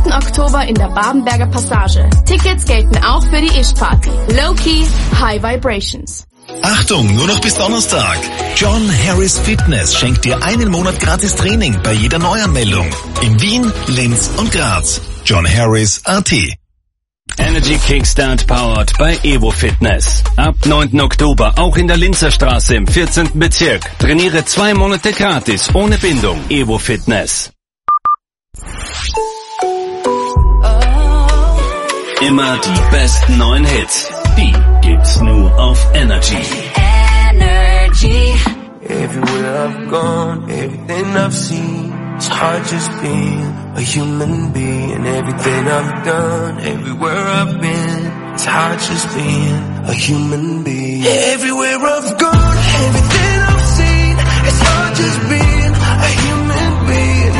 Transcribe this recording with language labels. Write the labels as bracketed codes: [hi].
[de] Oktober in der Babenberger Passage. Tickets gelten auch für die Ish-Party. [en] Low-Key, High Vibrations. [de] Achtung, nur noch bis Donnerstag. John Harris Fitness schenkt dir einen Monat gratis Training bei jeder Neuanmeldung. In Wien, Linz und Graz. John Harris AT. Energy Kickstart powered by Evo Fitness. Ab 9. Oktober auch in der Linzerstraße im 14. Bezirk. Trainiere 2 Monate gratis ohne Bindung. Evo Fitness. Immer die besten neuen Hits. Die gibt's nur auf Energy. Energy. [en] Everywhere I've gone, everything I've seen. It's hard just being a human being. Everything I've done, everywhere I've been. It's hard just being a human being. Everywhere I've gone, everything I've seen. It's hard just being a human being.